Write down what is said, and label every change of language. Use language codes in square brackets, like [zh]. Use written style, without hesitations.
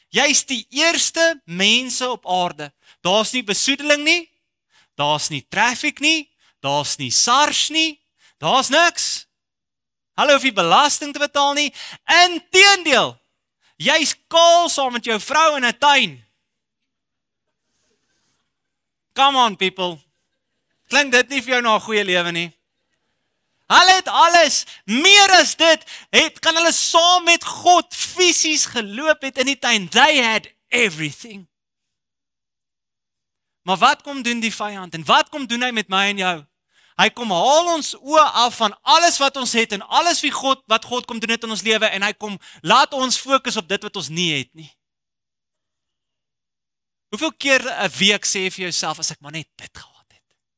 [af] Jy's die eerste mense op aarde. Daar's nie besoedeling nie, daar's nie traffic nie, daar's nie SARS nie, daar's niks. Hulle hoef nie belasting te betaal nie. Inteendeel, jy's kaal saam met jou vrou in 'n tuin. [en] Come on, people. [af] Klink dit nie vir jou na 'n goeie lewe nie? Hulle het alles, meer as dit, het kan hulle saam met God fisies geloop het in die tuin. [en] They had everything. [af] Maar wat kom doen die vijand? En wat kom doen hy met my en jou? Hy kom haal ons oë af van alles wat ons het en alles wie God, wat God kom doen het in ons lewe en hy kom laat ons fokus op dit wat ons nie het nie. Hoeveel keer 'n week sê jy vir jouself as ek maar net dit gehad het?